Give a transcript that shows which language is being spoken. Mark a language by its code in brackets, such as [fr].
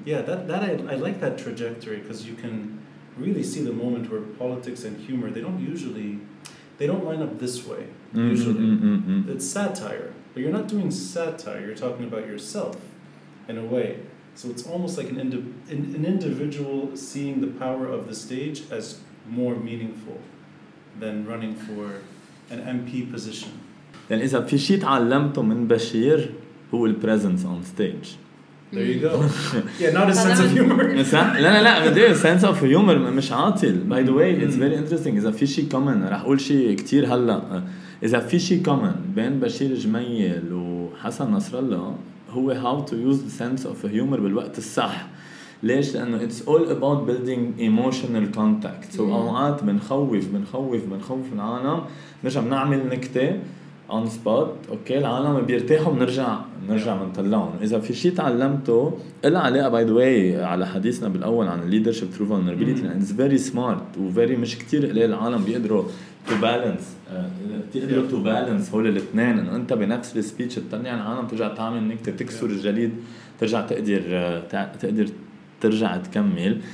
[en] Yeah, I like that trajectory, because you can really see the moment where politics and humor, they don't line up this way, usually. It's satire, but you're not doing satire, you're talking about yourself, in a way. So it's almost like an individual seeing the power of the stage as more meaningful than running for an MP position. [ar] يعني إذا في شيء تعلمته من بشير هو ال [en] presence on stage. There you go. Yeah, not a sense of humor. [ar] لا لا لا بدي [en] sense of humor [ar] مش عاطل. [en] By the way, it's very interesting. [ar] إذا في شيء common راح أقول شيء كتير هلا. إذا في شيء common بين بشير جميل وحسن نصر الله هو [en] how to use the sense of humor [ar] بالوقت الصح. ليش؟ لأنه [en] it's all about building emotional contact. So [ar] أوقات بنخوف العالم مش عم نعمل نكتة [en] on spot. [ar] أوكي العالم بيرتاحوا بنرجع منطلعهم. إذا في شيء تعلمته العلاقة [en] by the way [ar] على حديثنا بالأول عن [en] leadership through vulnerability and it's very smart [ar] وvery مش كتير قليل العالم بيقدروا [en] to balance [ar] تقدروا to balance هول الاثنين إنه أنت بنفس speech تطلع العالم ترجع تعمل نكتة تكسر الجليد ترجع تقدر ترجع تكمل.